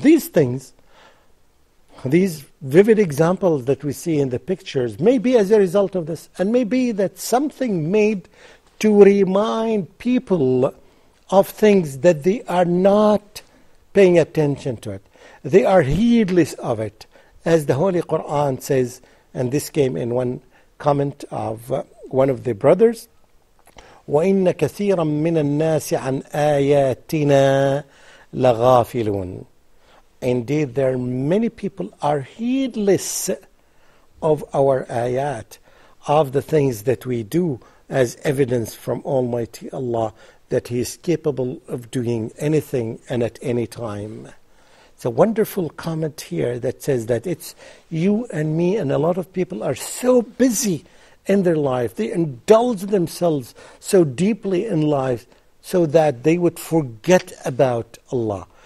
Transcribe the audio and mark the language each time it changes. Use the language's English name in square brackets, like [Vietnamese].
[English] These things, these vivid examples that we see in the pictures, may be as a result of this, and may be that something made to remind people of things that they are not paying attention to it. They are heedless of it. As the Holy Quran says, and this came in one comment of one of the brothers, [Arabic] وإن كثيرا من الناس عن آياتنا لغافلون. [English] Indeed, there are many people are heedless of our ayat, of the things that we do, as evidence from Almighty Allah that He is capable of doing anything and at any time. It's a wonderful comment here that says that it's you and me, and a lot of people are so busy in their life, they indulge themselves so deeply in life so that they would forget about Allah.